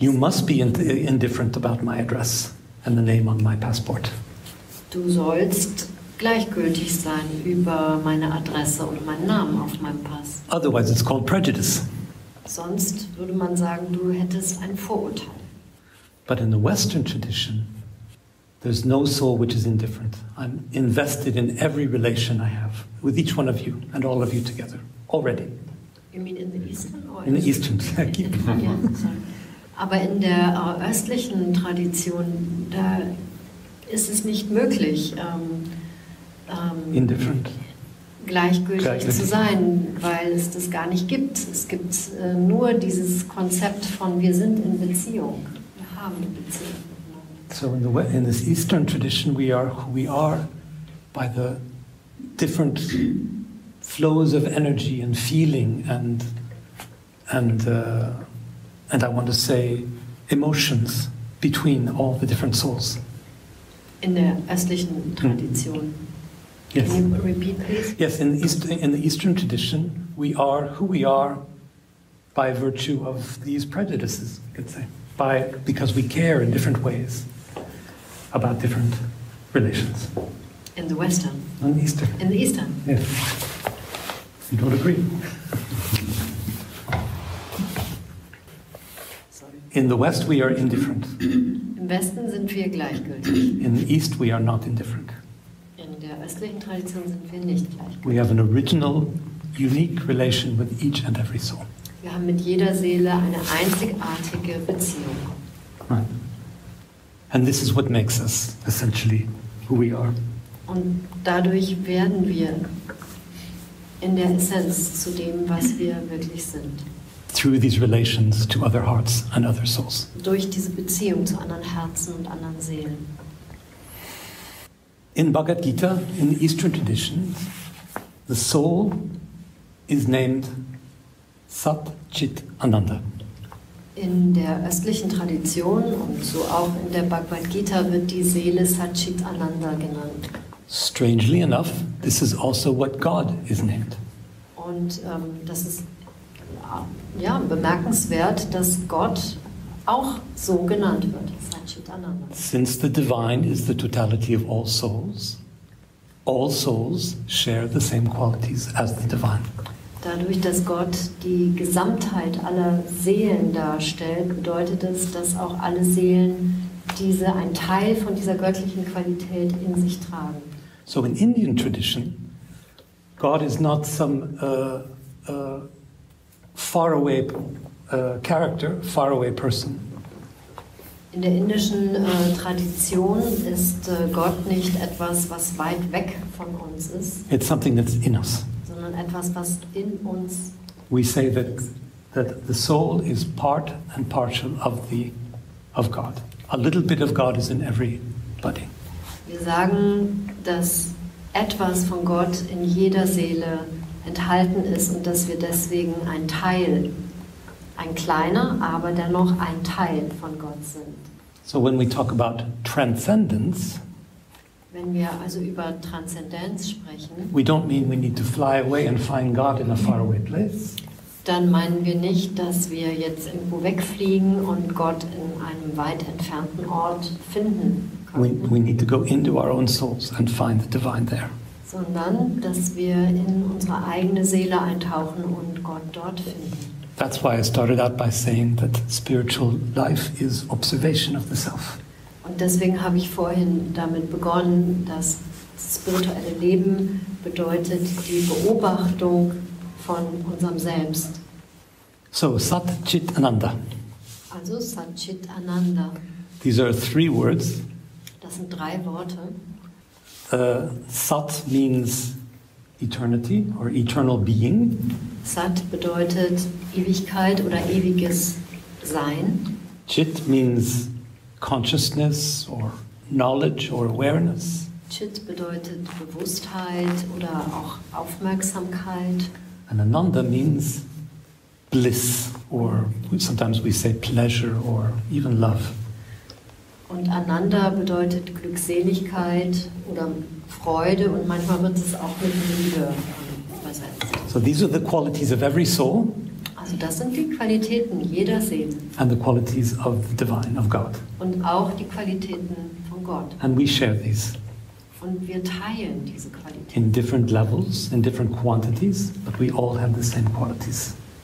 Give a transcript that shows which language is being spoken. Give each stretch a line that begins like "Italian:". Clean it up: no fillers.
English: You must be indifferent about my address and the name on my passport.
German: Du sollst gleichgültig sein über meine Adresse oder meinen Namen auf meinem Pass.
English: Otherwise it's called prejudice.
German: Sonst würde man sagen, du hättest ein Vorurteil.
English: But in the Western tradition, there's no soul which is indifferent. I'm invested in every relation I have with each one of you and all of you together already. You mean in the Eastern? In the Eastern, keep going.
German: Yeah, aber in der östlichen Tradition, da ist es nicht möglich,
English: indifferent.
German: Gleichgültig zu sein, weil es das gar nicht gibt. Es gibt nur dieses Konzept von wir sind in Beziehung. Wir haben eine Beziehung.
English: So in this Eastern tradition, we are who we are by the different flows of energy and feeling and I want to say emotions between all the different souls.
German: In der östlichen Tradition.
English: Yes. Can you repeat, please? Yes, in the Eastern tradition, we are who we are by virtue of these prejudices, you could say. Because we care in different ways about different relations. In the Western. In the Eastern. In the Eastern. Yes. You don't agree. In the West, we are indifferent.
German: Im Westen sind wir gleichgültig.
English: In the East, we are not indifferent.
German: In der östlichen Tradition sind wir nicht gleichgültig.
English: We have an original, unique relation with each and every soul.
German: Wir haben mit jeder Seele eine einzigartige Beziehung.
English: Right. And this is what makes us, essentially, who we are.
German: Und dadurch werden wir in der Essenz zu dem, was wir wirklich sind.
English: Through these relations to other hearts and other souls.
German: Durch diese Beziehung zu anderen Herzen und anderen Seelen.
English: In Bhagavad Gita, in the Eastern traditions, the soul is named Sat Chit Ananda.
German: In der östlichen Tradition und so auch in der Bhagavad Gita wird die Seele Sat Chit Ananda genannt.
English: Strangely enough, this is also what God is named.
German: Und das ist ja bemerkenswert, dass Gott auch so genannt wird.
English: Since the divine is the totality of all souls share the same qualities as the divine.
German: Dadurch, dass Gott die Gesamtheit aller Seelen darstellt, bedeutet es, dass auch alle Seelen ein Teil von dieser göttlichen Qualität in sich tragen.
English: So in Indian tradition, God is not some faraway character, faraway person.
German: In der indischen Tradition ist Gott nicht etwas, was weit weg von uns ist.
English: It's something that's in us.
German: Sondern etwas, was in uns.
English: We say that the soul is part and partial of God. A little bit of God is in everybody.
German: Wir sagen, dass etwas von Gott in jeder Seele enthalten ist und dass wir deswegen ein Teil, ein kleiner, aber dennoch ein Teil von Gott sind.
English: So when we talk about transcendence,
German: Wenn wir also über Transzendenz sprechen,
English: we don't mean we need to fly away and find God in a faraway place.
German: Dann meinen wir nicht, dass wir jetzt irgendwo wegfliegen und Gott in einem weit entfernten Ort finden können.
English: We need to go into our own souls and find the divine there.
German: Sondern, dass wir in unsere eigene Seele eintauchen und Gott dort finden.
English: That's why I started out by saying that spiritual life is observation of the self.
German: Und deswegen habe ich vorhin damit begonnen, dass spirituelle Leben bedeutet die Beobachtung von unserem Selbst.
English: So, Sat, Chit, Ananda.
German: Also Sat, Chit, Ananda.
English: These are three words.
German: Das sind drei Worte.
English: Sat means eternity or eternal being.
German: Sat bedeutet Ewigkeit oder ewiges Sein.
English: Chit means consciousness or knowledge or awareness.
German: Chit bedeutet Bewusstheit oder auch Aufmerksamkeit.
English: And Ananda means bliss, or sometimes we say pleasure or even love.
German: Und Ananda bedeutet Glückseligkeit oder Freude, und manchmal wird es auch mit Liebe übersetzt.
English: So these are the qualities of every soul.
German: Also das sind die Qualitäten jeder Seele.
English: And the qualities of the divine, of God.
German: Und auch die Qualitäten von Gott.
English: And we share these.
German: Und wir teilen diese Qualitäten.
English: In different levels, in different quantities, but we all have the same qualities.